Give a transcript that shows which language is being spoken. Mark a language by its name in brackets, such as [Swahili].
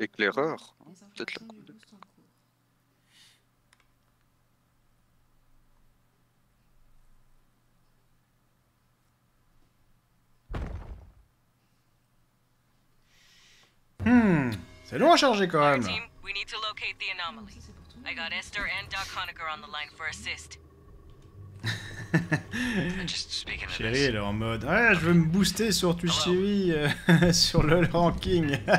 [French] Éclaireur. Peut-être la commande. C'est long à charger quand même. [English] Team, we need to locate the anomaly. I got Esther and Doc Honecker on the line for assist. [French] Chéri, elle est en mode ah, je veux me booster sur Twitch TV sur le ranking.